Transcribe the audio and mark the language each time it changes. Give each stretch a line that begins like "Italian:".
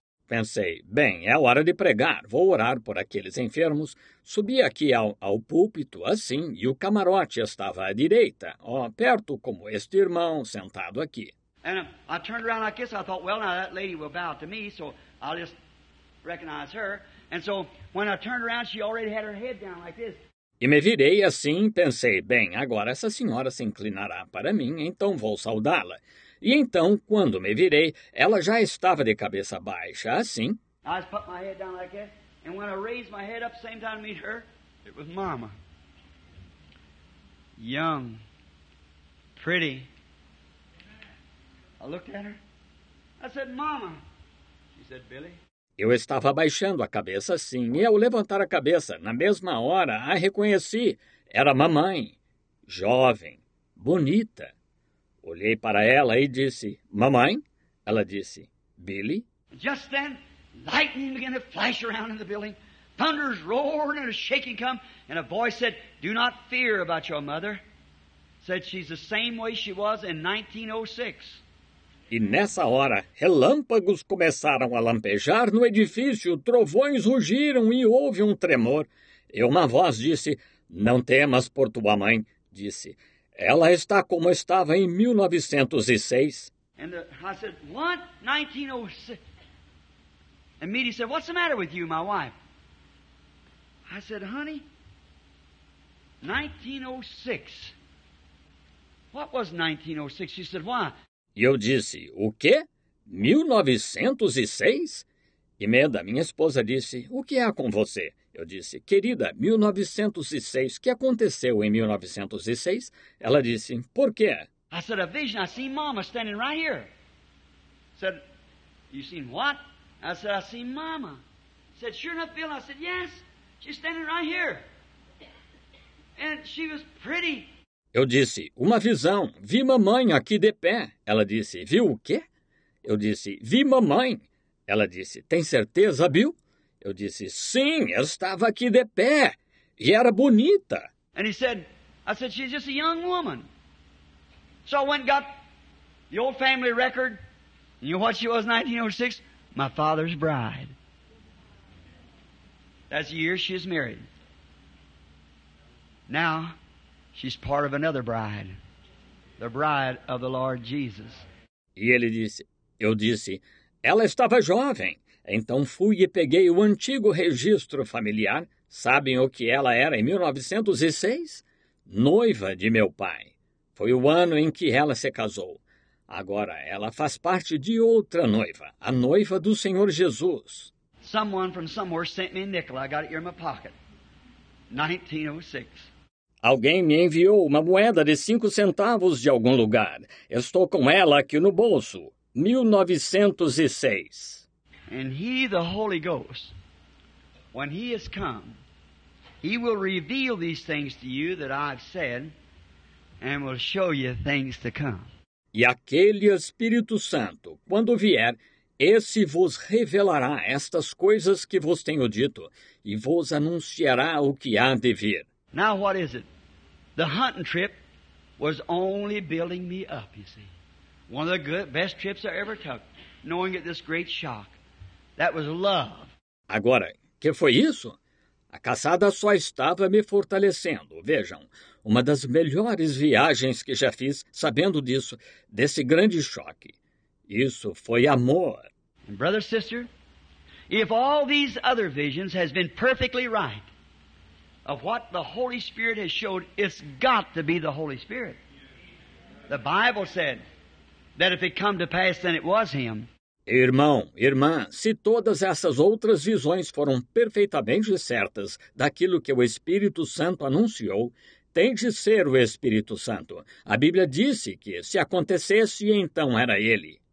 Portuguese: Pensei, bem, é hora de pregar, vou orar por aqueles enfermos. Subi aqui ao púlpito, assim, e o camarote estava à direita, ó, perto como este irmão sentado aqui.
English: And I turned around like this. I thought, well, now that lady will bow to me, so I'll just recognize her. And so when I turned around, she already had her head down like this.
Portuguese: E me virei assim, pensei, bem, agora essa senhora se inclinará para mim, então vou saudá-la. E então, quando me virei, ela já estava de cabeça baixa, assim.
English: I just put my head down like this, and when I raised my head up the same time to meet her, it was Mama. Young, pretty. I looked at her. I said, Mama. She said, Billy.
Portuguese: Eu estava abaixando a cabeça, sim, e ao levantar a cabeça, na mesma hora, a reconheci. Era mamãe, jovem, bonita. Olhei para ela e disse, Mamãe? Ela disse, Billy?
English: Just then, lightning began to flash around in the building. Thunders roared and a shaking come, and a voice said, Do not fear about your mother. Said she's the same way she was in 1906.
Portuguese: E nessa hora, relâmpagos começaram a lampejar no edifício, trovões rugiram e houve um tremor. E uma voz disse, não temas por tua mãe, disse. Ela está como estava em 1906.
English: And I said, what? 1906. And Meadie said, what's the matter with you, my wife? I said, honey, 1906. What was 1906? She said, why?
Portuguese: E eu disse, o quê? 1906? E Meda, minha esposa, disse, o que há com você? Eu disse, querida, 1906, o que aconteceu em 1906? Ela disse, por quê?
English: I said, a vision, I seen Mama standing right here. Said, you seen what? I said, I seen Mama. Said, sure enough, Bill, I said, yes, she's standing right here. And she was pretty.
Portuguese: Eu disse, uma visão, vi mamãe aqui de pé. Ela disse, viu o quê? Eu disse, vi mamãe. Ela disse, tem certeza, Bill? Eu disse, sim, eu estava aqui de pé. E era bonita.
English: And he said, I said, she's just a young woman. So I went and got the old family record. You know what she was in 1906? My father's bride. That's the year she's married. Now, she's part of another bride, the bride of the Lord Jesus.
Portuguese: E ele disse, eu disse, ela estava jovem. Então fui e peguei o antigo registro familiar. Sabem o que ela era em 1906? Noiva de meu pai. Foi o ano em que ela se casou. Agora ela faz parte de outra noiva, a noiva do Senhor Jesus.
English: Someone from somewhere sent me a nickel. I got it here in my pocket. 1906.
Portuguese: Alguém me enviou uma moeda de 5 centavos de algum lugar. Estou com ela aqui no bolso. 1906.
English: And he, the Holy Ghost, when he has come, he will reveal these things to you that I've said and will show you things to come.
Portuguese: E aquele Espírito Santo, quando vier, esse vos revelará estas coisas que vos tenho dito e vos anunciará o que há de vir.
English: Now what is it? The hunting trip was only building me up, you see. One of the good, best trips I ever took, knowing at this great shock. That was love.
Portuguese: Agora, que foi isso? A caçada só estava me fortalecendo. Vejam, uma das melhores viagens que já fiz, sabendo disso, desse grande choque. Isso foi amor.
English: And brother, sister, if all these other visions has been perfectly right, of what the Holy Spirit has showed, it's got to be the Holy Spirit. The Bible said that if it come to pass, then it was Him.
Portuguese: Irmão, irmã, se todas essas outras visões foram perfeitamente certas daquilo que o Espírito Santo anunciou, tem de ser o Espírito Santo. A Bíblia disse que se acontecesse, então era Ele.